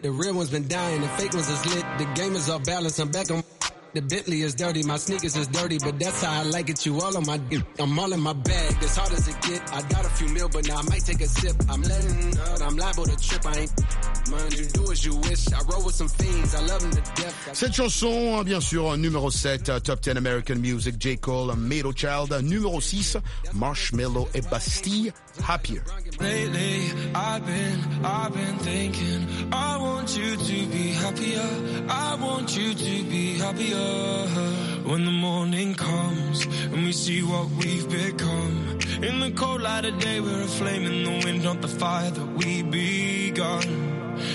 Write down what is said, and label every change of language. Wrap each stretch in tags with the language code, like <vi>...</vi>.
<en>The real ones been dying, the fake ones is lit, the game is off balance, I'm back on. The Bentley is dirty, my sneakers is dirty, but that's how I like it. You all on my dick, I'm all in my bag, as hard as it get. I got a few mil, but now I might take a sip. I'm letting out, I'm liable to trip. I ain't mind you, do as you wish. I roll with some fiends, I love them to death.</en> <fr>Cette chanson, bien sûr, numéro 7, Top 10 American Music, J. Cole, Middle Child. Numéro 6, Marshmello et Bastille, Happier.</fr> <en>Lately, I've been thinking, I want you to be happier, I want you to be happier. When the morning comes, and we see what we've become, in the cold light of day, we're a flame in the wind, not the fire that we begun.</en>